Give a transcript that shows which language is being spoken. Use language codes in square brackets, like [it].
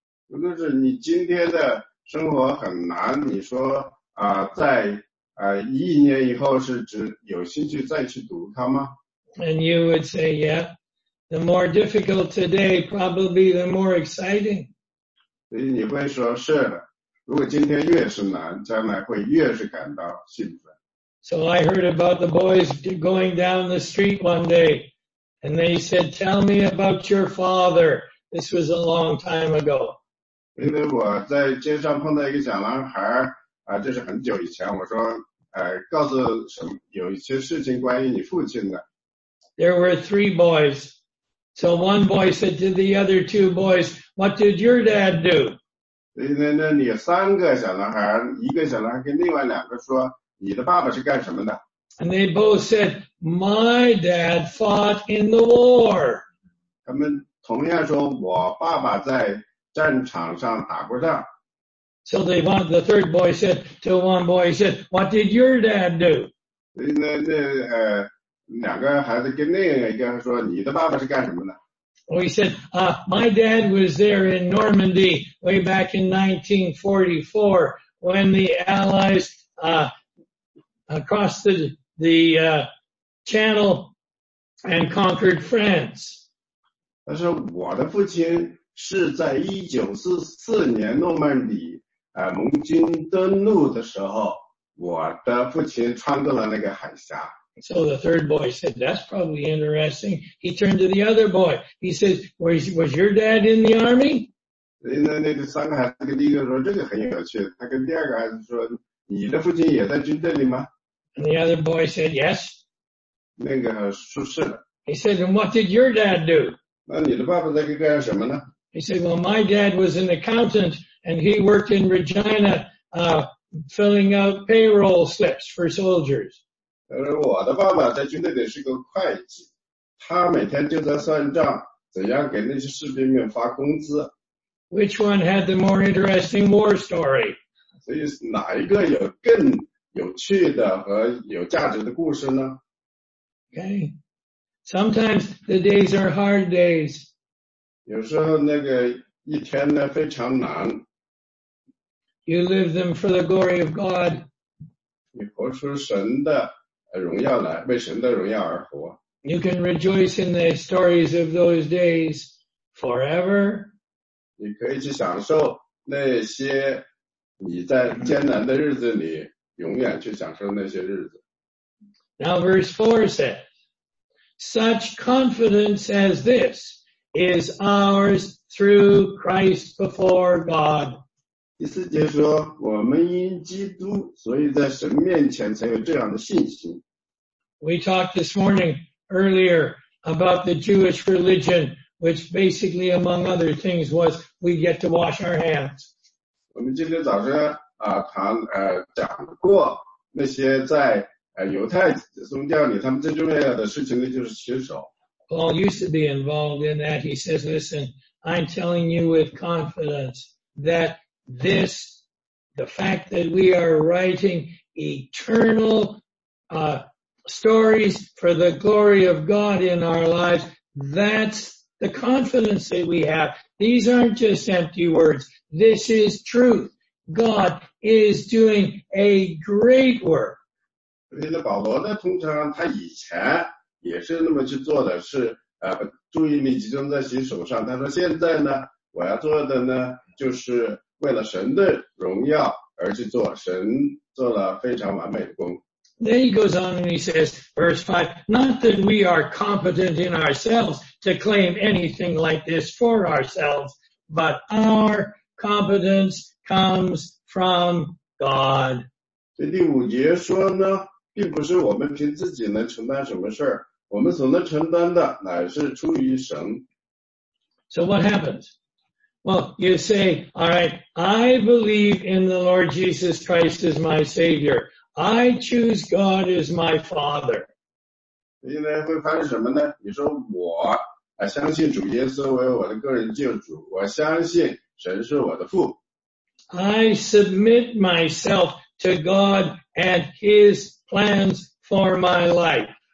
[zh] 如果是你今天的生活很难，你说在一年以后是指有兴趣再去读它吗？ [en] And you would say, yeah, the more difficult today, probably the more exciting. [zh] 所以你会说是的，如果今天越是难，将来会越是感到兴奋。 [en] So I heard about the boys going down the street one day, and they said, tell me about your father. This was a long time ago. [zh] 因为我在街上碰到一个小男孩，这是很久以前，我说告诉什么，有一些事情关于你父亲的。 [en] There were three boys. So one boy said to the other two boys, what did your dad do? [zh] 那你有三个小男孩，一个小男孩跟另外两个说，你的爸爸是干什么的？ [en] And they both said, my dad fought in the war. [zh] 他们同样说，我爸爸在战场上打过仗。 [en] So the third boy said to one boy, he said, what did your dad do? [zh] 那两个孩子跟另一个人说，你的爸爸是干什么的？ [en] Well, he said, my dad was there in Normandy way back in 1944 when the Allies, across the channel and conquered France. [zh] 他说我的父亲是在1944年诺曼底盟军登陆的时候，我的父亲穿过了那个海峡。 [en] So the third boy said, that's probably interesting. He turned to the other boy. He said, was your dad in the army? [zh] 那个三个孩子跟第一个说，这个很有趣。他跟第二个孩子说，你的父亲也在军队里吗？ [en] And the other boy said, yes. [zh] 那个说是的。 [en] He said, and what did your dad do? [zh] 那你的爸爸在干什么呢？ [en] He said, well, my dad was an accountant. And he worked in Regina, filling out payroll slips for soldiers. [zh] 我的爸爸在军队里是个会计，他每天就在算账，怎样给那些士兵们发工资。 [en] Which one had the more interesting war story? [zh] 所以哪一个有更有趣的和有价值的故事呢？ [en] Okay. Sometimes the days are hard days. [zh] 有时候那个一天呢非常难。 [en] You live them for the glory of God. [zh] 你活出神的荣耀来，为神的荣耀而活。 [en] You can rejoice in the stories of those days forever. [zh] 你可以去享受那些你在艰难的日子里永远去享受那些日子。 [en] Now verse 4 says, such confidence as this is ours through Christ before God. [zh] 第四节说，我们因基督，所以在神面前才有这样的信心。 [en] We talked this morning earlier about the Jewish religion, which basically, among other things, was we get to wash our hands. [zh] 我们今天早上讲过那些在犹太宗教里，他们最重要的事情呢，就是洗手。 [en] Paul used to be involved in that. He says, "Listen, I'm telling you with confidence that." This, the fact that we are writing eternal, stories for the glory of God in our lives, that's the confidence that we have. These aren't just empty words. This is truth. God is doing a great work. [zh] 因为保罗呢，通常他以前也是那么去做的，是注意力集中在洗手上。他说现在呢，我要做的呢，就是为了神的荣耀而去做，神做了非常完美的工。 [en] Then he goes on and he says, verse 5, not that we are competent in ourselves to claim anything like this for ourselves, but our competence comes from God. [zh] 第五节说呢, 并不是我们凭自己能承担什么事儿, 我们所能承担的乃是出于神。 [en] So what happens? Well, you say, all right, I believe in the Lord Jesus Christ as my Savior. I choose God as my Father. [zh] 现在会发生什么呢? 你说我相信主耶稣为我的个人救主, 我相信神是我的父。 [en] I submit myself to God and His plans for my life.